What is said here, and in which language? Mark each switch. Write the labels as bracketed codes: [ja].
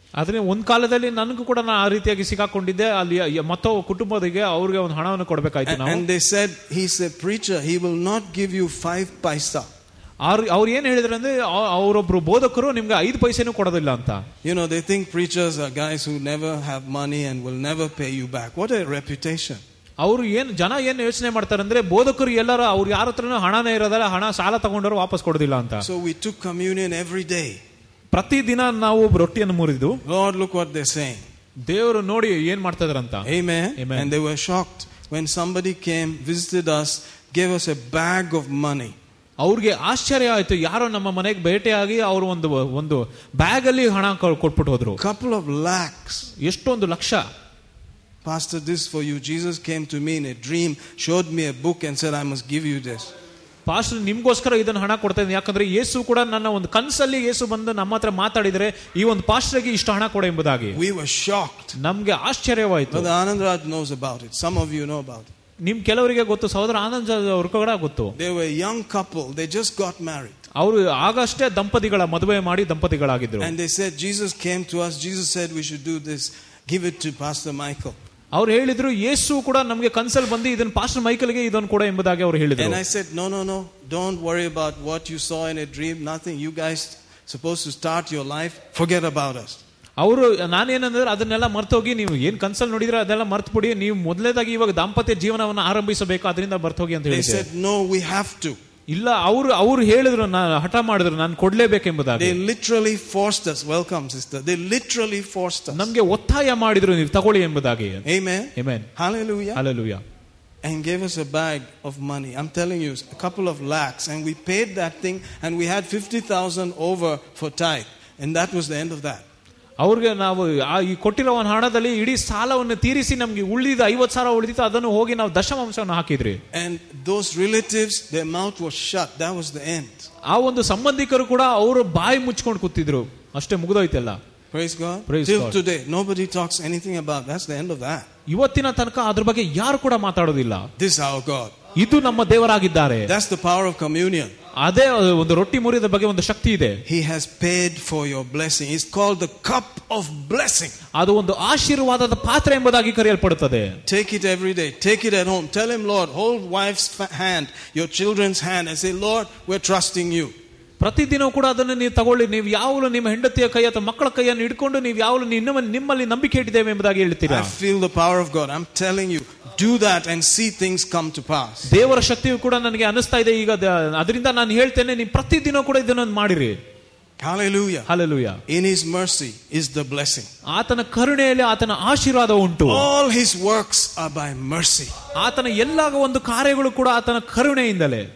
[kn] ಆದ್ರೆ ಒಂದ್ ಕಾಲದಲ್ಲಿ ನನಗೂ ಕೂಡ ನಾನು ಆ ರೀತಿಯಾಗಿ ಸಿಕ್ಕಾಕೊಂಡಿದ್ದೆ. ಅಲ್ಲಿ ಮತ್ತೊ ಕುಟುಂಬದಿಗೆ ಅವ್ರಿಗೆ ಒಂದು ಹಣವನ್ನು ಕೊಡಬೇಕಾಯ್ತು. ಅವ್ರು ಏನ್ ಹೇಳಿದ್ರೆ ಅಂದ್ರೆ ಅವರೊಬ್ರು ಬೋಧಕರು ನಿಮ್ಗೆ 5 ಪೈಸೆನೂ ಕೊಡೋದಿಲ್ಲ ಅಂತ. [en] You know they think preachers are guys who never have money and will never pay you back. What a reputation. [kn] ಅವರು ಏನ್ ಜನ ಏನ್ ಯೋಚನೆ ಮಾಡ್ತಾರೆ ಅಂದ್ರೆ ಬೋಧಕರು ಎಲ್ಲರೂ ಅವ್ರ ಯಾರ ಹತ್ರ ಹಣನೇ ಇರೋದಲ್ಲ, ಹಣ ಸಾಲ ತಗೊಂಡವರು ವಾಪಸ್ ಕೊಡೋದಿಲ್ಲ ಅಂತ. [en] So we took communion every day. [kn] ಪ್ರತಿದಿನ ನಾವು ರೊಟ್ಟಿಯನ್ನು ಮುರಿದು [en] Lord look what they saying. [kn] ದೇವರು ನೋಡಿ ಏನ್ ಮಾಡ್ತಾ ಇದ್ರಂತ. Amen. Amen. [en] They were shocked when somebody came visited us gave us a bag of money. [kn] ಅವ್ರಿಗೆ ಆಶ್ಚರ್ಯ ಆಯ್ತು, ಯಾರೋ ನಮ್ಮ ಮನೆಗೆ ಭೇಟಿಯಾಗಿ ಅವರು ಒಂದು ಒಂದು ಬ್ಯಾಗ್ ಅಲ್ಲಿ ಹಣ ಕೊಟ್ಬಿಟ್ಟು ಹೋದ್ರು. [en] Couple of lakhs. [kn] ಎಷ್ಟೊಂದು lakh. [en] Pastor, this for you. Jesus came to me in a dream, showed me a book and said, "I must give you this." [kn] Pastor ನಿಮ್ಗೋಸ್ಕರ ಇದನ್ನ ಹಣ ಕೊಡ್ತಾಯಿದ್ದೀನಿ, ಯಾಕಂದ್ರೆ ಯೇಸು ಕೂಡ ನನ್ನ ಒಂದು ಕನಸಲ್ಲಿ ಯೇಸು ಬಂದು ನಮ್ಮ ಹತ್ರ ಮಾತಾಡಿದ್ರೆ ಈ ಒಂದು ಪಾಸ್ಟರ್ಗೆ ಇಷ್ಟು ಹಣ ಕೊಡ ಎಂಬುದಾಗಿ. [en] We were shocked. [kn] ನಮಗೆ ಆಶ್ಚರ್ಯವಾಯಿತು. [en] But Anand Raj knows about it. Some of you know about it. [kn] ನಿಮ್ ಕೆಲವರಿಗೆ ಗೊತ್ತು, ಸಹೋದರ ಆನಂದ್ ಅವ್ರಿಗೆ ಗೊತ್ತು. [en] They were a young couple. They just got married. [kn] ಅವರು ಆಗಷ್ಟೇ ದಂಪತಿಗಳ ಮದುವೆ ಮಾಡಿ ದಂಪತಿಗಳಾಗಿದ್ರು. [en] And they said, "Jesus came to us. Jesus said we should do this. Give it to Pastor Michael." [kn] ಅವ್ರು ಹೇಳಿದ್ರು ಯೇಸು ಕೂಡ ನಮಗೆ ಕನ್ಸಲ್ ಬಂದು ಇದನ್ನು ಪಾಸ್ಟರ್ ಮೈಕೆಲ್ ಗೆ ಇದನ್ನು ಕೂಡ ಎಂಬುದಾಗಿ ಅವರು ಹೇಳಿದ್ರು. [en] And I said, "No, no, no. Don't worry about what you saw in a dream. Nothing. You guys supposed to start your life. Forget about us." [kn] ಅವರು ನಾನೇನಂದ್ರೆ ಅದನ್ನೆಲ್ಲ ಮರ್ತು ಹೋಗಿ, ನೀವು ಏನ್ ಕನ್ಸಲ್ ನೋಡಿದ್ರೆ ಅದೆಲ್ಲ ಮರ್ತು ಬಿಡಿ, ನೀವು ಮೊದಲೇದಾಗಿ ಇವಾಗ ದಾಂಪತ್ಯ ಜೀವನವನ್ನು ಆರಂಭಿಸಬೇಕು ಅದರಿಂದ ಮರ್ತು ಹೋಗಿ ಅಂತ ಹೇಳಿ. [en] They said, "No, we have to." [kn] ಇಲ್ಲ, ಅವರು ಹೇಳಿದ್ರು, ನಾನು ಹಠ ಮಾಡಿದ್ರು, ನಾನು ಕೊಡ್ಲೇಬೇಕೆಂಬುದಾಗಿ. [en] They literally forced us. Welcome, sister. They literally forced us. [kn] ನಮಗೆ ಒತ್ತಾಯ ಮಾಡಿದ್ರು ನೀವು ತಗೊಳ್ಳಿ ಎಂಬುದಾಗಿ. [en] Amen. Amen. Hallelujah. Hallelujah. And gave us a bag of money. I'm telling you, a couple of lakhs. And we paid that thing and we had 50,000 over for tithe. And that was the end of that. [kn] ಅವ್ರಿಗೆ ನಾವು ಈ ಕೊಟ್ಟಿರೋ ಒಂದು ಹಣದಲ್ಲಿ ಇಡೀ ಸಾಲವನ್ನು ತೀರಿಸಿ ನಮ್ಗೆ ಉಳಿದ 50,000 ಉಳಿದಿತ್ತು, ಅದನ್ನು ಹೋಗಿ ನಾವು ದಶಮಾಂಶವನ್ನು ಹಾಕಿದ್ರಿ. [en] And those relatives, their mouth was shut. That was the end. [kn] ಆ ಒಂದು ಸಂಬಂಧಿಕರು ಕೂಡ ಅವರು ಬಾಯಿ ಮುಚ್ಕೊಂಡು ಕೂತಿದ್ರು, ಅಷ್ಟೇ ಮುಗಿದೋಯ್ತಲ್ಲ. [en] Praise God. Praise till God. Today nobody talks anything about that's the end of that. [kn] ಇವತ್ತಿನ ತನಕ ಅದರ ಬಗ್ಗೆ ಯಾರು ಕೂಡ ಮಾತಾಡೋದಿಲ್ಲ. [en] This is our God. [kn] ಇದು ನಮ್ಮ ದೇವರಾಗಿದ್ದಾರೆ. [en] That's the power of communion. [kn] ಅದೇ ಒಂದು ರೊಟ್ಟಿ ಮುರಿದ ಬಗ್ಗೆ ಒಂದು ಶಕ್ತಿ ಇದೆ. [en] He has paid for your blessing. It's called the cup of blessing. [kn] ಅದು ಒಂದು ಆಶೀರ್ವಾದದ ಪಾತ್ರೆ ಎಂಬುದಾಗಿ ಕರೆಯಲ್ಪಡುತ್ತದೆ. [en] Take it every day. Take it at home. Tell him, "Lord, hold wife's hand, your children's hand, and say, 'Lord, we're trusting you." [kn] ಪ್ರತಿದಿನವೂ ಕೂಡ ಅದನ್ನು ನೀವು ತಗೊಳ್ಳಿ. ನೀವು ಯಾವಾಗಲು ನಿಮ್ಮ ಹೆಂಡತಿಯ ಕೈ ಅಥವಾ ಮಕ್ಕಳ ಕೈಯನ್ನು ಹಿಡ್ಕೊಂಡು ನೀವು ಯಾವಾಗಲು ನಿಮ್ಮಲ್ಲಿ ನಂಬಿಕೆ ಇಟ್ಟಿದ್ದೇವೆ ಎಂಬುದಾಗಿ ಹೇಳ್ತೀರಿ. [en] I feel the power of God. I'm telling you, do that and see things come to pass. [kn] ದೇವರ ಶಕ್ತಿಯು ಕೂಡ ನನಗೆ ಅನಿಸ್ತಾ ಇದೆ ಈಗ. ಅದರಿಂದ ನಾನು ಹೇಳ್ತೇನೆ, ನೀವು ಪ್ರತಿದಿನ ಕೂಡ ಇದನ್ನೊಂದು ಮಾಡಿರಿ. [en] Hallelujah. Hallelujah. In his mercy is the blessing. [kn] ಆತನ ಕರುಣೆಯಲ್ಲಿ ಆತನ ಆಶೀರ್ವಾದ ಉಂಟು. [en] All his works are by mercy. [kn] ಆತನ ಎಲ್ಲಾ ಒಂದು ಕಾರ್ಯಗಳು ಕೂಡ ಆತನ ಕರುಣೆಯಿಂದಲೇ.